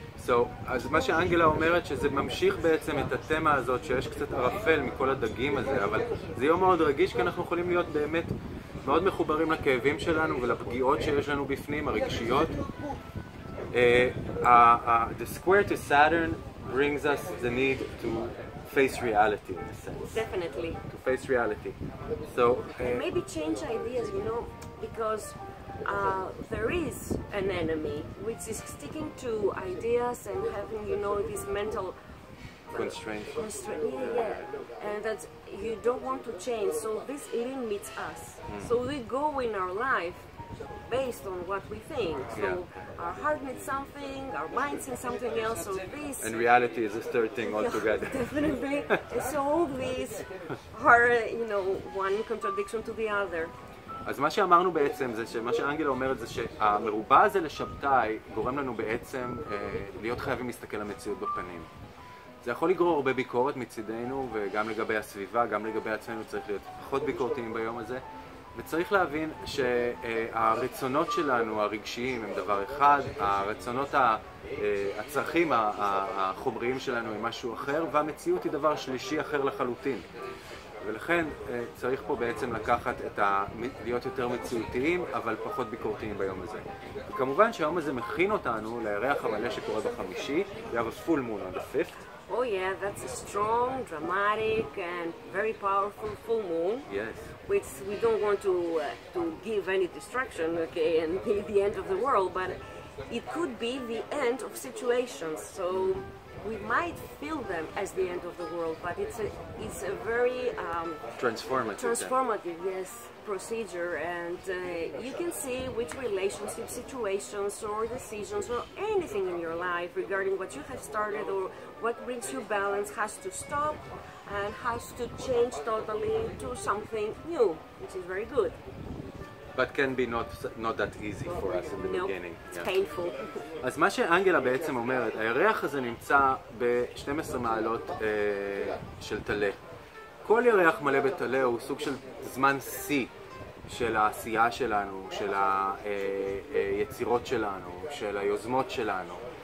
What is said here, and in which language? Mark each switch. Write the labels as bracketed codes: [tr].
[he] So, אז מה שאנגלה אומרת, שזה ממשיך בעצם את התמה הזאת, שיש קצת ערפל מכל הדגים הזה, אבל זה יום מאוד רגיש, כי אנחנו יכולים להיות באמת מאוד מחוברים לכאבים שלנו ולפגיעות שיש לנו בפנים, הרגשיות. [en] The square to Saturn brings us the need to face reality, in a sense. Definitely. To face reality. So, maybe change ideas, you know, because... there is an enemy which is sticking to ideas and having, you know, this mental constraint. Yeah. And that you don't want to change, so this limits us. So we go in our life based on what we think. So yeah. Our heart needs something, our mind needs something else, so this... And reality is a third thing altogether. Yeah, definitely. So all these are, you know, one contradiction to the other. [he] אז מה שאמרנו בעצם, זה שמה שאנגלה אומרת, זה שהמרובע הזה לשבתאי גורם לנו בעצם להיות חייבים להסתכל למציאות בפנים. זה יכול לגרור הרבה ביקורת מצידנו, וגם לגבי הסביבה, גם לגבי עצמנו, צריך להיות פחות ביקורתיים ביום הזה. וצריך להבין שהרצונות שלנו הרגשיים הם דבר אחד, הרצונות, הצרכים החומריים שלנו הם משהו אחר, והמציאות היא דבר שלישי אחר לחלוטין. ולכן צריך פה בעצם לקחת את ה... להיות יותר מציאותיים, אבל פחות ביקורתיים ביום הזה. וכמובן שהיום הזה מכין אותנו לירח המלא שקורה בחמישי, [en] we have a full moon on the 5th. Oh yeah, that's a strong, dramatic and very powerful full moon. Yes. Which we don't want to give any distraction, okay, and be the end of the world, but it could be the end of situations, so... we might feel them as the end of the world, but it's a very transformative yes procedure, and you can see which relationship situations or decisions or anything in your life regarding what you have started or what brings you balance has to stop and has to change totally to something new, which is very good. But can be not that easy for us in the beginning. It's painful. [he] אז מה שאנגלה בעצם אומרת, הירח הזה נמצא ב-12 מעלות של טלה. כל ירח מלא בטלה הוא סוג של זמן C של העשייה שלנו, של היצירות שלנו, של היוזמות שלנו.